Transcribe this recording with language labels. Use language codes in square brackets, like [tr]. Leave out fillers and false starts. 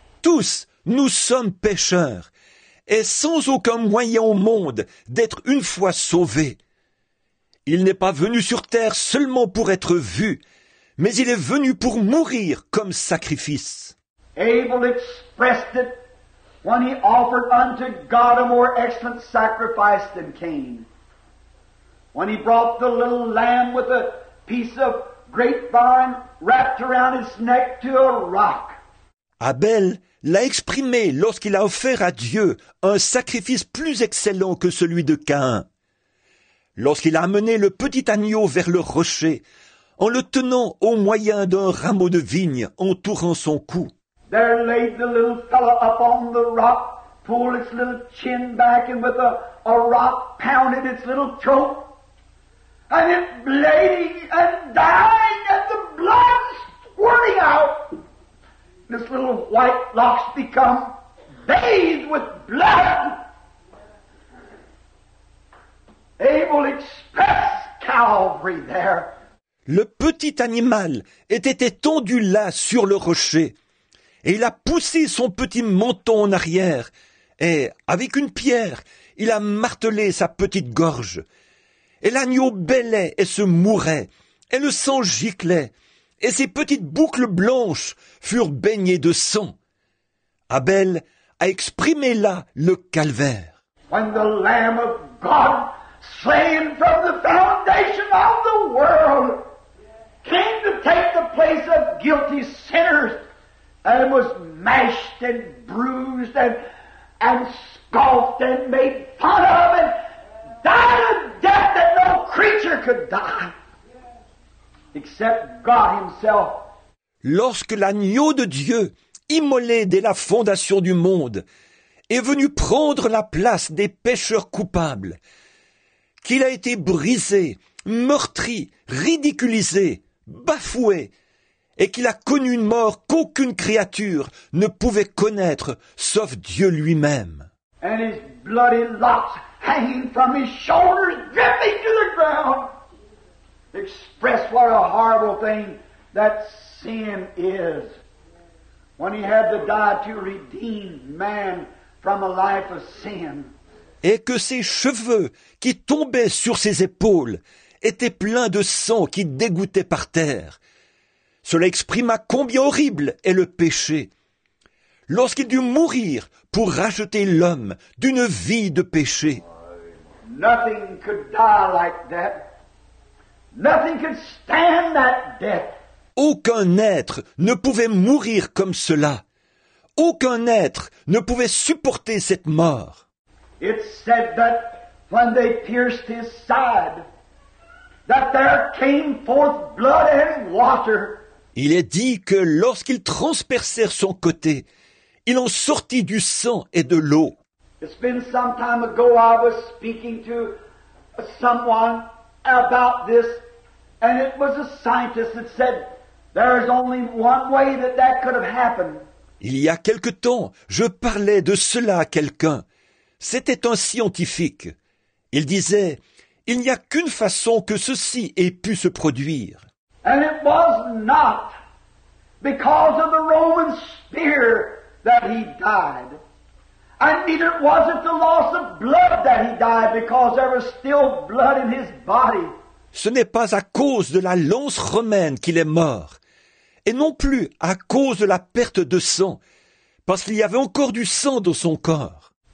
[fr] Tous, nous sommes pécheurs, et sans aucun moyen au monde d'être une fois sauvés. Il n'est pas venu sur terre seulement pour être vu, mais il est venu pour mourir comme sacrifice. [en] Abel expressed it when he offered unto God a more excellent sacrifice than Cain. When he brought the little lamb with a piece of grapevine wrapped around his neck to a rock. [fr] Abel l'a exprimé lorsqu'il a offert à Dieu un sacrifice plus excellent que celui de Caïn. Lorsqu'il a amené le petit agneau vers le rocher, en le tenant au moyen d'un rameau de vigne entourant son cou. [en] There laid the little fellow up on the rock, pulled its little chin back, and with a rock pounded its little throat. And it bleeding and dying, and the blood squirting out. This little white locks become bathed with blood. Abel expressed Calvary there. [fr] Le petit animal était étendu là sur le rocher, et il a poussé son petit menton en arrière, et avec une pierre, il a martelé sa petite gorge. Et l'agneau bêlait et se mourait, et le sang giclait, et ses petites boucles blanches furent baignées de sang. Abel a exprimé là le calvaire. [en] When the Lamb of God, slain from the foundation of the world, came to take the place of guilty sinners, and was mashed and bruised and scoffed and made fun of and died a death that no creature could die, except God himself. [fr] Lorsque l'agneau de Dieu, immolé dès la fondation du monde, est venu prendre la place des pécheurs coupables, qu'il a été brisé, meurtri, ridiculisé, bafoué, et qu'il a connu une mort qu'aucune créature ne pouvait connaître sauf Dieu lui-même. [en] And his bloody locks hanging from his shoulders, dripping to the ground, express what a horrible thing that sin is. When he had to die to redeem man from a life of sin. [fr] Et que ses cheveux qui tombaient sur ses épaules était plein de sang qui dégouttait par terre. Cela exprima combien horrible est le péché. Lorsqu'il dut mourir pour racheter l'homme d'une vie de péché. [en] Nothing could die like that. Nothing could stand that death. [fr] Aucun être ne pouvait mourir comme cela. Aucun être ne pouvait supporter cette mort. [en] It said that when they pierced his side, that there came forth blood and water. [fr] Il est dit que lorsqu'ils transpercèrent son côté, il en sortit du sang et de l'eau. [en] It's been some time ago I was speaking to someone about this, and it was a scientist that said there is only one way that that could have happened. [fr] Il y a quelque temps, je parlais de cela à quelqu'un. C'était un scientifique. Il disait: il n'y a qu'une façon que ceci ait pu se produire. [en] And it was not because of the Roman spear that he died. And neither was it the loss of blood that he died, because there was still blood in his body. [fr] Ce n'est pas à cause de la lance romaine qu'il est mort, et non plus à cause de la perte de sang, parce qu'il y avait encore du sang dans son corps.